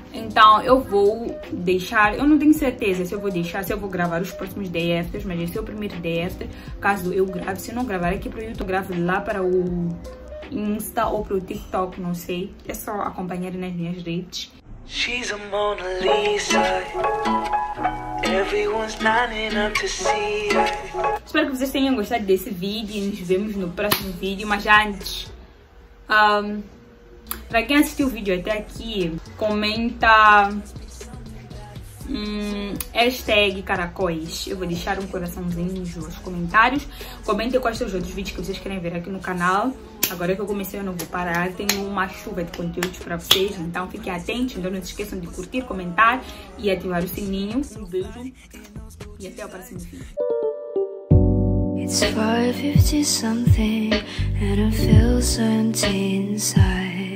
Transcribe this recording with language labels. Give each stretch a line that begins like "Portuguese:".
Portuguese: Então eu vou deixar, eu não tenho certeza se eu vou deixar, se eu vou gravar os próximos day afters, mas esse é o primeiro day after, caso eu grave. Se não gravar aqui para o YouTube, gravo lá para o Insta ou para o TikTok, não sei. É só acompanhar nas minhas redes.
English: She's a Mona Lisa. Everyone's lining up to see her.
Portuguese: Espero que vocês tenham gostado desse vídeo. Nos vemos no próximo vídeo. Mas antes, para quem assistiu o vídeo até aqui, comenta hashtag caracóis. Eu vou deixar um coraçãozinho nos comentários. Comentem quais são os outros vídeos que vocês querem ver aqui no canal. Agora que eu comecei, eu não vou parar. Tenho uma chuva de conteúdo para vocês. Então fiquem atentos. Então não se esqueçam de curtir, comentar e ativar o sininho. Um beijo e até o próximo vídeo.
English: It's 5:50 something and it feels empty inside.